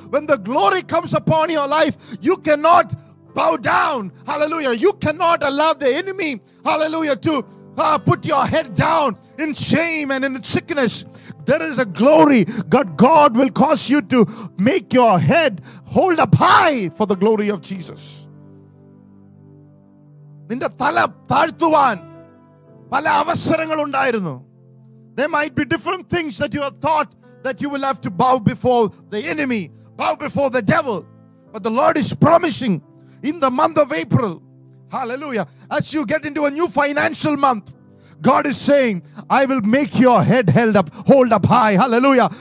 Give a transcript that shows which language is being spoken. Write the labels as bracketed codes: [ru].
[en] When the glory comes upon your life, you cannot bow down. Hallelujah. You cannot allow the enemy, hallelujah, to put your head down in shame and in sickness. There is a glory that God will cause you to make your head hold up high for the glory of Jesus. [ml] നിന്റെ തല താഴ്ത്തുവാൻ പല അവസരങ്ങൾ ഉണ്ടായിരുന്നു. [en] There might be different things that you have thought that you will have to bow before the enemy, bow before the devil. But the Lord is promising in the month of April, hallelujah, as you get into a new financial month, God is saying, I will make your head held up, hold up high. Hallelujah.